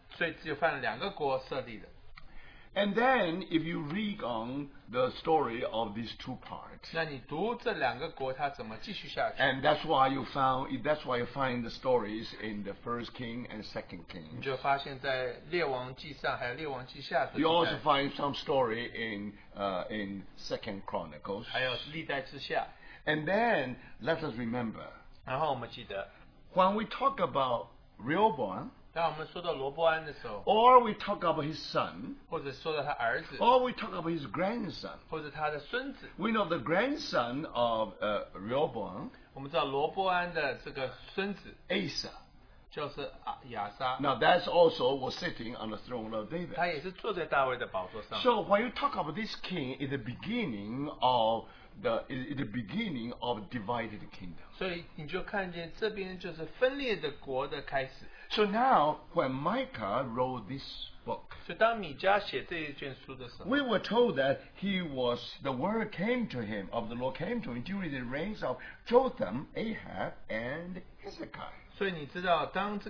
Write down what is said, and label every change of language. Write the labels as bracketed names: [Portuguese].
[Chinese] 所以就犯了两个国设立的。 [English] And then if you read on the story of these two parts, [Chinese] 那你读这两个国它怎么继续下去? [English] And that's why you find the stories in the First King and Second King. [Chinese] 你就发现在列王记上还有列王记下的记载, [English] you also find some story in Second Chronicles. [Chinese] 还有历代之下。 [English] And then let us remember, [Chinese] 然后我们记得, [English] when we talk about Rehoboam, [Chinese] 当我们说到罗伯安的时候, [English] or we talk about his son, [Chinese] 或者说到他儿子, [English] or we talk about his grandson, [Chinese] 或者他的孙子, [English] we know the grandson of Rehoboam, [Chinese] 我们知道罗伯安的这个孙子, [English] Asa, [Chinese] 就是亚撒, [English] now that's also was sitting on the throne of David. [Chinese] 他也是坐在大卫的宝座上。 [English] So when you talk about this king in the beginning of the beginning of divided kingdom. [Chinese] 所以你就看见这边就是分裂的国的开始。 [English] So now, when Micah wrote this book, [Chinese] 所以当米迦写这一卷书的时候, [English] we were told that he was, the word came to him, of the Lord came to him during the reigns of Jotham, Ahab, and Hezekiah.